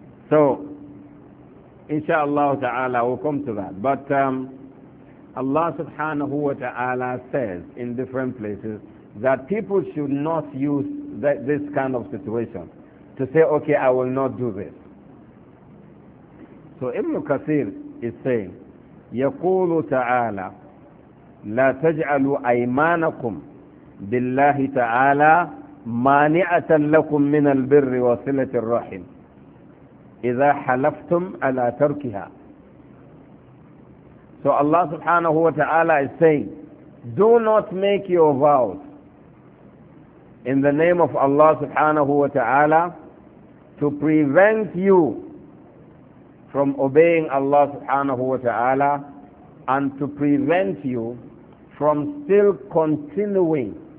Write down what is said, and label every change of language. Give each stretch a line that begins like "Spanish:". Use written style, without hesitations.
English: So, inshallah ta'ala, we'll come to that. But Allah subhanahu wa ta'ala says in different places that people should not use this kind of situation to say, okay, I will not do this. So Ibn Kathir is saying,
Arabic: يَقُولُ تَعَالَى لَا تَجْعَلُوا أَيْمَانَكُمْ بِاللَّهِ تَعَالَى مَانِعَةً لَكُمْ مِنَ الْبِرِّ وَصِلَةِ الرَّحِمِ إِذَا حَلَفْتُمْ أَلَا تَرْكِهَا.
English: So Allah subhanahu wa ta'ala is saying, do not make your vows in the name of Allah subhanahu wa ta'ala to prevent you from obeying Allah subhanahu wa ta'ala and to prevent you from still continuing